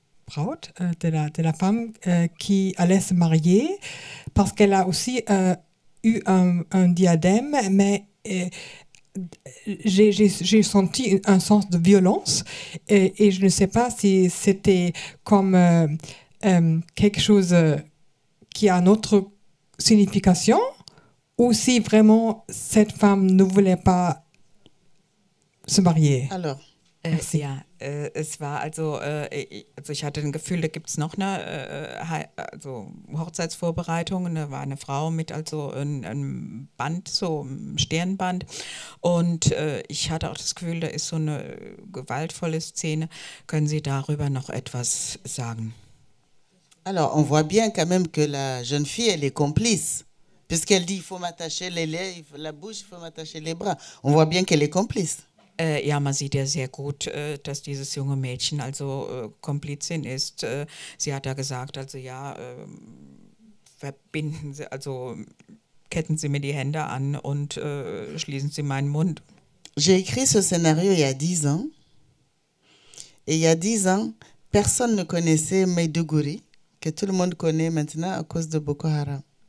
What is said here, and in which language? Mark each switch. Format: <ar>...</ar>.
<fr>Braut, de la femme qui allait se marier, parce qu'elle a aussi eu un diadème, mais j'ai senti un sens de violence et je ne sais pas si c'était comme quelque chose qui a une autre signification ou si vraiment cette femme ne voulait pas se marier. Alors, merci.</fr> <de>Es war also ich hatte ein Gefühl, da gibt es noch eine also Hochzeitsvorbereitung. Da war eine Frau mit also einem Band, so einem Sternband. Und ich hatte auch das Gefühl, da ist so eine gewaltvolle Szene. Können Sie darüber noch etwas sagen?</de> <fr>Alors, on voit bien quand même que la jeune fille, elle est complice. Puisqu'elle dit, il faut m'attacher les lèvres, la bouche, il faut m'attacher les bras. On voit bien qu'elle est complice.</fr> <de>Ja, man sieht ja sehr gut, dass dieses junge Mädchen also Komplizin ist. Sie hat ja gesagt, also ja, verbinden Sie, also ketten Sie mir die Hände an und schließen Sie meinen Mund.</de> <fr>J'ai écrit ce scénario il y a 10 ans. Et il y a 10 ans, personne ne connaissait Maiduguri, que tout le monde connaît maintenant à cause de Boko Haram.</fr>